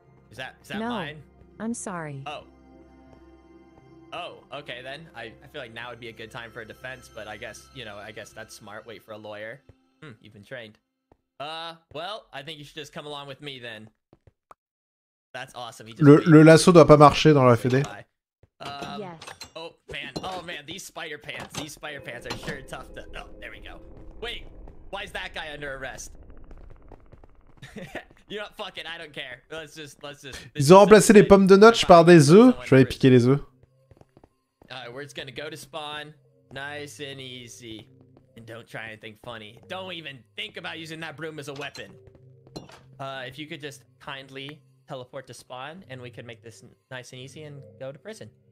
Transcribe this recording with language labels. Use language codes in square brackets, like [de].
[en] Is that no, mine? I'm sorry. Oh, okay then. I feel like now would be a good time for a defense, but I guess that's smart. Wait for a lawyer. You've been trained. Well, I think you should just come along with me then. That's awesome. [fr] Le lasso doit pas marcher dans la fédé. [en] Yes. Oh man, these spider pants are sure tough to. Oh, there we go. Wait, why is that guy under arrest? You know, fuck it, I don't care. Let's just. [fr] Ils ont remplacé les pommes de notch par des œufs. Je vais aller piquer les œufs. [en] Alright, we're just gonna go to spawn, nice and easy, and don't try anything funny. Don't even think about using that broom as a weapon. If you could just kindly teleport to spawn, and we could make this nice and easy and go to prison.